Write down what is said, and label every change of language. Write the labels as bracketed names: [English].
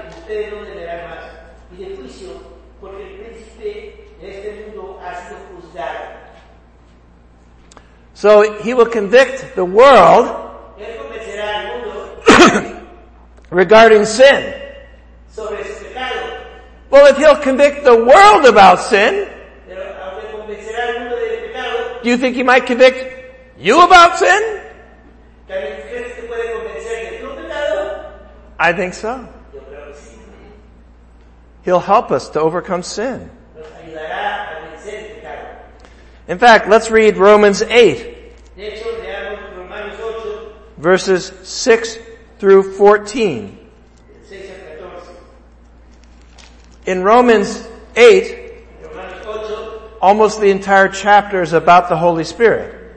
[Spanish] ustedes no tendrá más, y de juicio, porque el príncipe de este mundo ha sido juzgado. [English] So he will convict the world [Spanish] él convencerá al mundo [English] regarding sin. [Spanish] Sobre su pecado. [English] Well, if he'll convict the world about sin, [Spanish] pero aunque convencerá al mundo del pecado, [English] do you think he might convict you about sin? [Spanish] ¿También crees que puede convencer de tu pecado? [English] I think so. [Spanish] Yo creo que sí. [English] He'll help us to overcome sin. [Spanish] Nos ayudará a vencer el pecado. [English] In fact, let's read Romans 8. [Spanish] De hecho, leamos Romanos 8. [English] Verses 6 through 14. In Romans 8, almost the entire chapter is about the Holy Spirit.